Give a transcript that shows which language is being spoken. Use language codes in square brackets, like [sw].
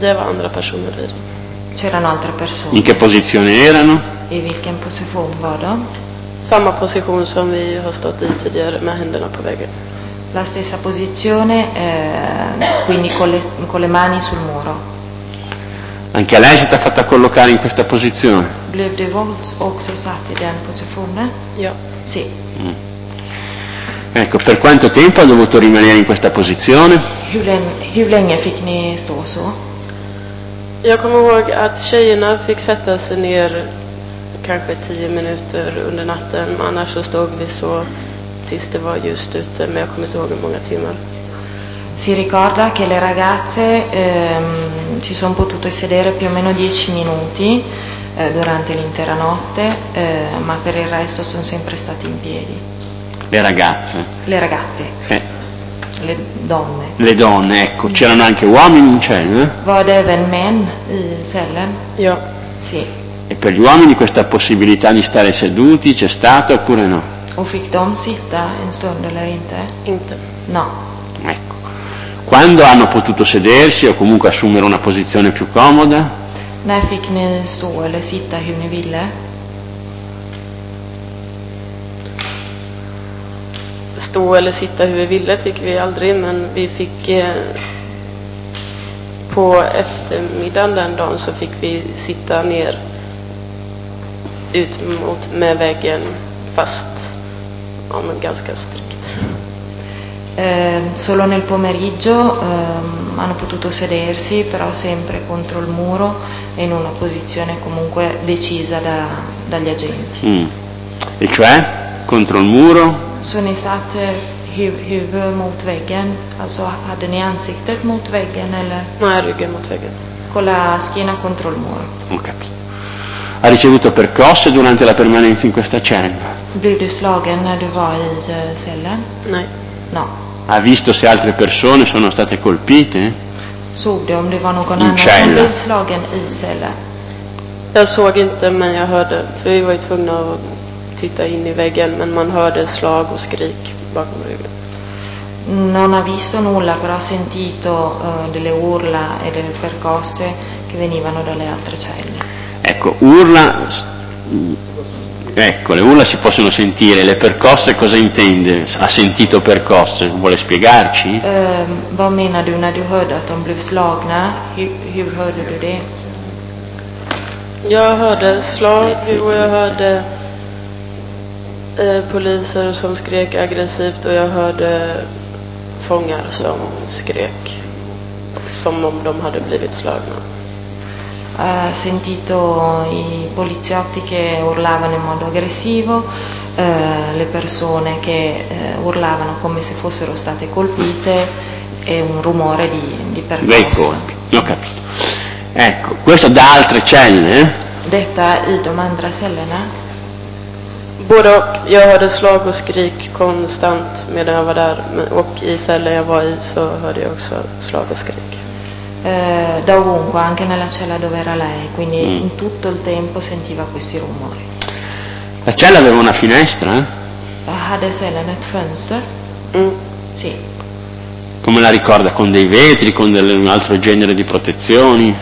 [sv] Det var andra personer i den. [it] C'erano altre persone. In che posizione erano? [sv] I vilken position var de? Samma position som vi har stått i tidigare med händerna på väggen. [it] La stessa posizione, quindi con le mani sul muro. Anche lei si è stata fatta collocare in questa posizione? [sv] Blev du också satt i den positionen? Ja. [it] Sì. Ecco, per quanto tempo ha dovuto rimanere in questa posizione? [sv] Hur länge fick ni stå så? Jag kommer ihåg att tjejerna fick sätta sig ner kanske 10 minuter under natten, annars så stod vi så tills det var ljust ute, men jag kommer inte ihåg hur många timmar. [it] Si ricorda che le ragazze ci sono potute sedere più o meno 10 minuti durante l'intera notte, ma per il resto sono sempre state in piedi. Le ragazze. Le donne. Le donne, ecco, c'erano anche uomini in cella? [sv] Var det även män i cellen? Ja. [it] Sì. E per gli uomini questa possibilità di stare seduti c'è stata oppure no? [sv] O fick de sitta en stund eller inte? Inte. [it] No. Ecco. Quando hanno potuto sedersi o comunque assumere una posizione più comoda? [sv] När fick ni stå eller sitta hur ni ville? Stå eller sitta hur vi ville fick vi aldrig, men vi fick på eftermiddagen den dagen så fick vi sitta ner ut mot med väggen fast, ja, men ganska strikt. [it] Solo nel pomeriggio hanno potuto sedersi, però sempre contro il muro e in una posizione comunque decisa dagli agenti. E cioè contro il muro. Sono state [sv] huvud mot väggen, alltså hade ni ansiktet mot väggen eller? Nej, ryggen mot väggen. [it] Con la schiena contro il muro. Ok. Ha ricevuto percosse durante la permanenza in questa cella? [sv] Blev du slagen när du var i cellen? Nej. [it] No. Ha visto se altre persone sono state colpite? [sv] Såg du om det var någon annan som blev slagen i cellen? Jag såg inte, men jag hörde, för vi var ju tvungna att titta in i väggen, men man hörde slag och skrik bakom ryggen. [it] Non ha visto nulla, però ha sentito delle urla e delle percosse che venivano dalle altre celle. Ecco, urla. Ecco, le urla si possono sentire, le percosse cosa intende? Ha sentito percosse? Vuole spiegarci? [sv] Vad menar du när du hörde att de blev slagna? Hur hörde du det? Jag hörde slag och jag hörde poliser som skrek aggressivt och jag hörde fångar som skrek som om de hade blivit slagna. [it] Ha sentito i poliziotti che urlavano in modo aggressivo, le persone che urlavano come se fossero state colpite e un rumore di percosse. Dei colpi, ho capito. Ecco, questo da altre celle? [sv] Detta i de andra cellerna? Både och, jag hörde slag och skrik konstant medan jag var där, och i cellen jag var i så hörde jag också slag och skrik. [it] Da ovunque, anche nella cella dove era lei, quindi in tutto il tempo sentiva questi rumori. La cella aveva una finestra? [sv] Hade cellen ett fönster? [it] Sì. Come la ricorda? Con dei vetri, con un altro genere di protezioni?